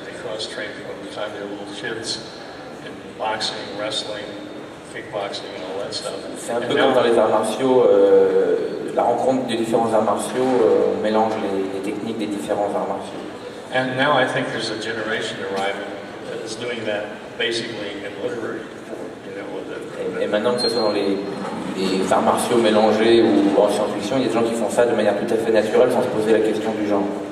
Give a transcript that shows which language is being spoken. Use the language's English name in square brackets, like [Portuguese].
[English] They cross train from the time they're little kids. Boxing, wrestling, kickboxing, and all that stuff. [French] C'est un peu comme dans les arts martiaux, la rencontre des différents arts martiaux, on mélange les techniques des différents arts martiaux. [English] And now I think there's a generation arriving that is doing that basically in literary form. You know, [French] et maintenant que ce sont les arts martiaux mélangés ou en science-fiction, il y a des gens qui font ça de manière tout à fait naturelle sans se poser la question du genre.